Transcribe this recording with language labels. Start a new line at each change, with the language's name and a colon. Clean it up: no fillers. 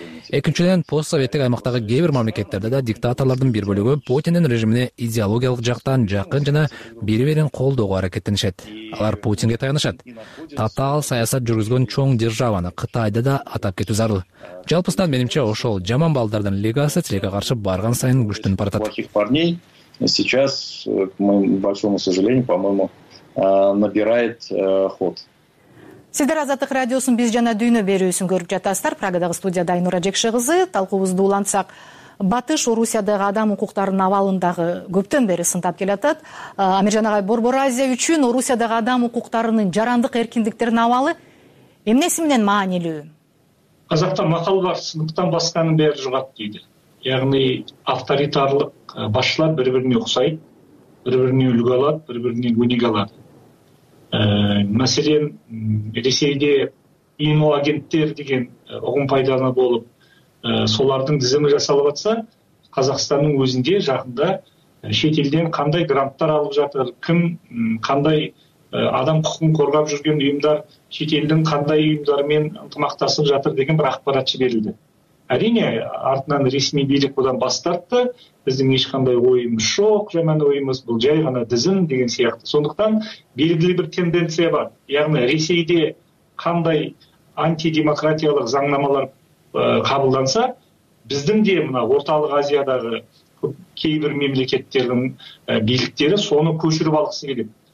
Kyrgyz: Экинчиден, постсоветтик аймактагы кээ бир мамлекеттерде да диктаторлордун бир бөлүгү Путиндин режимине идеологиялык жактан жакын жана бири берин колдоого аракеттенишет. Алар Путинге таянышат. Татаал саясат жүргүзгөн чоң державаны Кытайды да атап кетүү зарыл. Жалпысынан менимче ошол жаман балдардын легасы тилекке каршы барган сайын күчтөнүп баратат.
Russian: Плохих парней сейчас, к моему большому сожалению, по-моему, набирает ход.
Kyrgyz: Сиздер Азаттык радиосун биз жана дүйнө берүүсүн көрүп жатасыздар. Прагадагы студияда Айнура Жекши кызы. Талкуубузду улантсак, Батыш Орусиядагы адам укуктарынын абалындагы көптөн бери сындап келатат. Амиржан агай, Борбор Азия үчүн Орусиядагы адам укуктарынын жарандык эркиндиктердин абалы эмнеси менен маанилүү? Казакта макал бар, сыныктан басканын бери жугат дейди. Яғни авторитарлык башлар бири-бирине уксайт, бири-бирине үлгү алат, бири-бирине өнүгө алат. Маселен, Ресейде ИНО агенттер деген угум пайдалана болуп, солардын тизими жасалып атса, Казакстандын өзүндө жакында чет элден кандай гранттар алып жатыр, ким кандай адам кукугун коргоп жүргөн уюмдар чет элдин кандай уюмдары менен ынтымакташып жатыр деген бир акпарат берилди.
Kazakh: Әрине, артынан ресми билік одан бас тартты, біздің ешқандай ойымыз жоқ, жаман ойымыз бұл жай ғана дізін деген сияқты. Сондықтан белгілі бір тенденция бар. Яғни Ресейде қандай антидемократиялық заңнамалар қабылданса, біздің де мына Орталық Азиядағы кейбір мемлекеттердің биліктері соны көшіріп алғысы келеді.